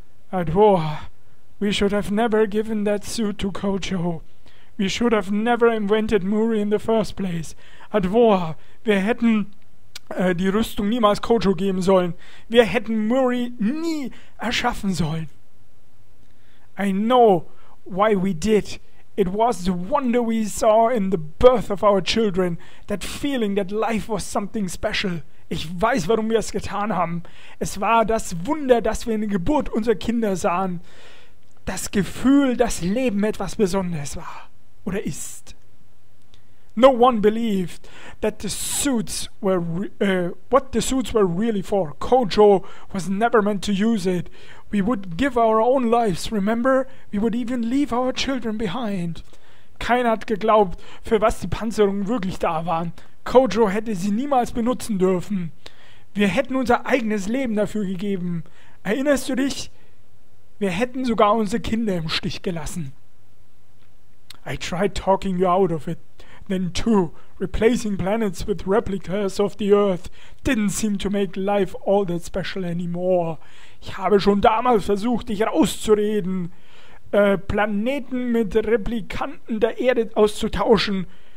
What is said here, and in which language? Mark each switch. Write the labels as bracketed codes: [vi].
[en] At war, we should have never given that suit to Kojo. We should have never invented Muri in the first place. [de] At war, wir hätten die Rüstung niemals Kojo geben sollen. Wir hätten Muri nie erschaffen sollen. [en] I know why we did. It was the wonder we saw in the birth of our children. That feeling that life was something special. [de] Ich weiß, warum wir es getan haben. Es war das Wunder, dass wir in der Geburt unserer Kinder sahen. Das Gefühl, dass Leben etwas Besonderes war. Oder ist. [en] No one believed that the suits were what the suits were really for. Kojo was never meant to use it. We would give our own lives, remember? We would even leave our children behind. [de] Keiner hat geglaubt, für was die Panzerungen wirklich da waren. Kojo hätte sie niemals benutzen dürfen. Wir hätten unser eigenes Leben dafür gegeben. Erinnerst du dich? Wir hätten sogar unsere Kinder im Stich gelassen. [en] I tried talking you out of it. Then too, replacing planets with replicas of the Earth didn't seem to make life all that special anymore. [de] Ich habe schon damals versucht, dich rauszureden, Planeten mit Replikanten der Erde auszutauschen.